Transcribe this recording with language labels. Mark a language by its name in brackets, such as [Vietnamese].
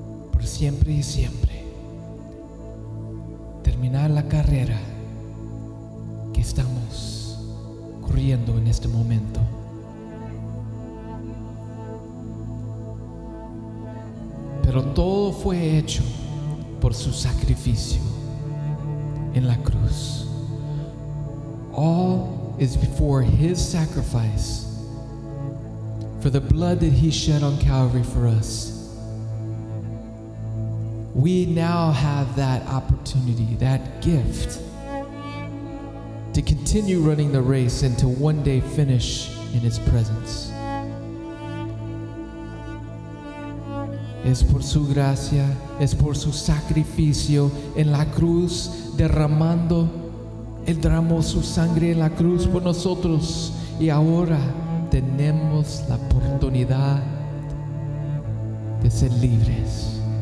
[Spanish] Por siempre y siempre. Terminar la carrera que estamos corriendo en este momento. Pero todo fue hecho por su sacrificio en la cruz. [English] All is before His sacrifice, for the blood that He shed on Calvary for us. We now have that opportunity, that gift, to continue running the race and to one day finish in His presence. [Spanish] Es por su gracia, es por su sacrificio en la cruz, derramando, Él derramó su sangre en la cruz por nosotros. Y ahora tenemos la oportunidad de ser libres.